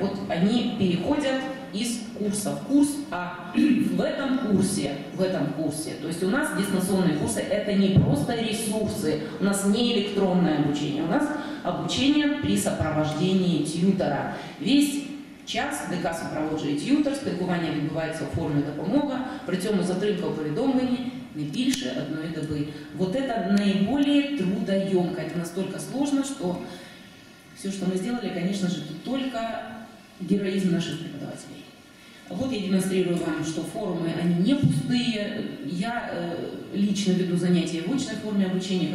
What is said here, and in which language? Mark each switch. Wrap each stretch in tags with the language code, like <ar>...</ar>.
<ru>Вот они переходят из курса в курс, а в этом курсе, то есть у нас дистанционные курсы – это не просто ресурсы, у нас не электронное обучение, у нас обучение при сопровождении тьютора. Весь</ru> <uk>час, ДК супроводжує т'ютор, спілкування відбувається у формі допомоги, при цьому затримка у повідомленні не більше одної доби.</uk> <ru>Вот это наиболее трудоемко, это настолько сложно, что все, что мы сделали, конечно же, тут только героизм наших преподавателей. Вот я демонстрирую вам, что форумы, они не пустые. Я лично веду занятия в очной форме обучения.</ru>